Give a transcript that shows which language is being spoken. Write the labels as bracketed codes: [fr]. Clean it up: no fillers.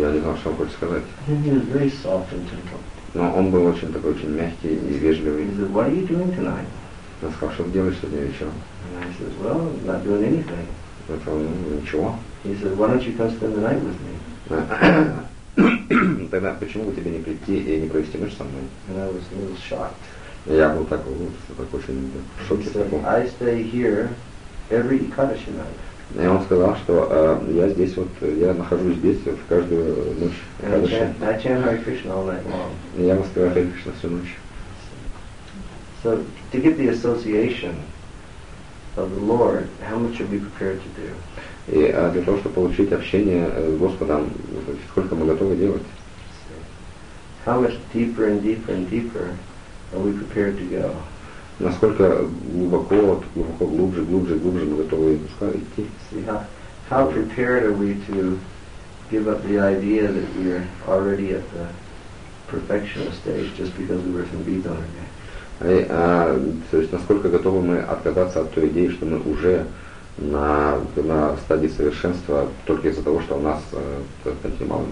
[ru] Я не знал, что он хочет сказать. [en] He was very soft and gentle. [ru] Но он был очень такой, очень мягкий и вежливый. [en] He said, what are you doing tonight? [ru] Он сказал, что ты делаешь сегодня вечером. [en] And I said, well, I'm not doing anything. [ru] Я сказал, ничего. [en] He said, why don't you come spend the night with me? [ru] Тогда почему бы тебе не прийти и не провести ночь со мной? [en] And I was a little shocked. [ru] Я был такой очень в шоке. [en] He said, I stay here every Ekadashi night. [ru] И он сказал, что я здесь вот, я нахожусь здесь в каждую ночь. [en] I chant Hare Krishna all night long. [ru] Я воспеваю Hare Krishna всю ночь. [en] So to get the association of the Lord, how much are we prepared to do? [ru] И для того, чтобы получить общение с Господом, сколько мы готовы делать? [en] How much deeper and deeper and deeper are we prepared to go? [ru] Насколько глубоко, глубоко, глубже, глубже, глубже мы готовы идти. [en] How prepared are we to give up the idea that we are already at the perfectional stage just because we were from Vidarbha? [ru] То есть насколько готовы мы отказаться от той идеи, что мы уже на стадии совершенства только из-за того, что у нас такие малые